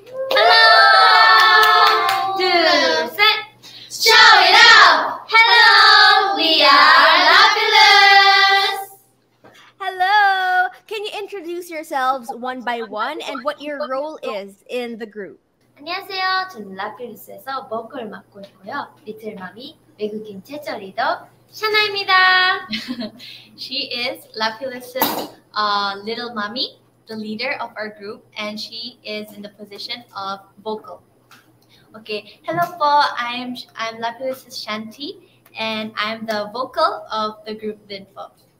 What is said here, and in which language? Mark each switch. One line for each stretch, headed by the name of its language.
English: Hello. Two, set. Show it out. Hello. We are Lapillus. Hello! Can you introduce yourselves one by one and what your role is in the group?
Korean: 안녕하세요. 저는 라필루스에서 보컬을 맡고 있고요. 리틀 마미, 외국인 최초 리더, 샤나입니다.
English: She is Lapillus's little mommy, the leader of our group, and she is in the position of vocal. Okay, hello po. I'm Lapillus's Shanti, and I'm the vocal of the group Linfo.